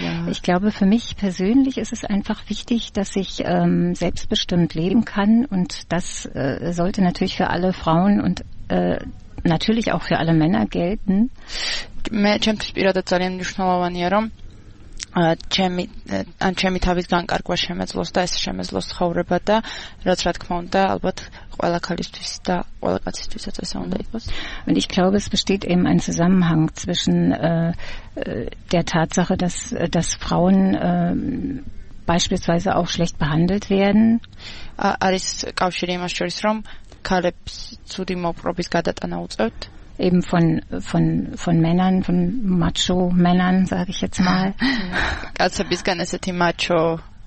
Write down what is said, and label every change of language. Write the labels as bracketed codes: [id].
[de] Ich glaube, für mich persönlich ist es einfach wichtig, dass ich selbstbestimmt leben kann und das sollte natürlich für alle Frauen und natürlich auch für alle Männer gelten. [ka] მე ჩემთვის პირადად ძალიან მნიშვნელოვანია, რომ ჩემი ან ჩემი თავის განკარგვა შემეძლოს და ეს შემეძლოს ცხოვრება და რაც რა თქმა უნდა ალბათ ყველა ქალისთვის და ყველა კაცისთვისაც ესე უნდა იყოს. [de] Und ich glaube, es besteht eben ein Zusammenhang zwischen der Tatsache, dass Frauen beispielsweise auch schlecht behandelt werden. [ka] Არის კავშირი იმას შორის, რომ ქალებს ცუდი მოპყრობის გადატანა უწევთ. [de] Eben von Männern, von Macho-Männern, sage ich jetzt mal. Also bis gar nicht die Macho